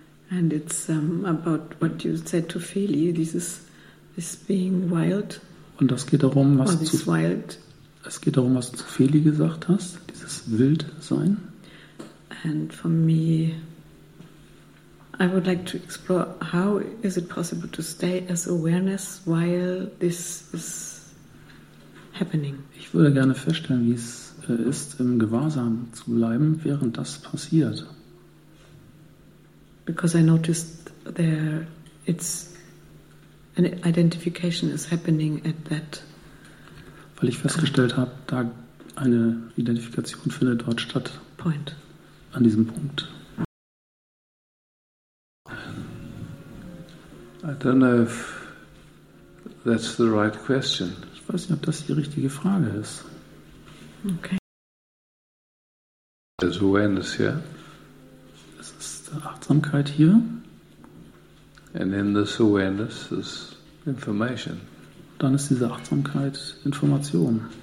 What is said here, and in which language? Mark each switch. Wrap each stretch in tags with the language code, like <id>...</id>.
<en>And it's about what you said to Feli, this being wild.</en> <de>Und das geht darum, was</de> <en>this</en> <de>zu</de> <en>wild.</en> <de>Es geht darum, was du zu Feli gesagt hast, dieses Wildsein.</de> <en>And for me, I would like to explore how is it possible to stay as awareness while this is happening.</en> <de>Ich würde gerne feststellen, wie es ist, im Gewahrsam zu bleiben, während das passiert.</de> <en>Because I noticed there it's an identification is happening at that.</en> <de>Weil ich festgestellt habe, da eine Identifikation findet dort statt.</de> <en>Point.</en> <de>An diesem Punkt.</de> <en>I don't know if that's the right question.</en> <de>Ich weiß nicht, ob das die richtige Frage ist.</de> <en>Okay. There's awareness here.</en> <de>Es ist Achtsamkeit hier.</de> <en>And in this awareness is information.</en> <de>Dann ist diese Achtsamkeit Information.</de>